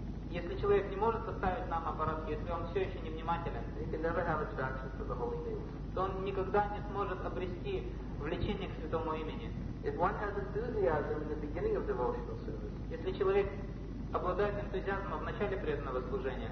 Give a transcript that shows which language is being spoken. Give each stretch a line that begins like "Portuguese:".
Russian: если человек не может оставить нама-апарат, если он все еще невнимателен,
English: he can never have attraction to the holy name,
Russian: то он никогда не сможет обрести влечение к святому имени.
English: If one has enthusiasm in the beginning of devotional service,
Russian: если человек обладает энтузиазмом в начале преданного служения,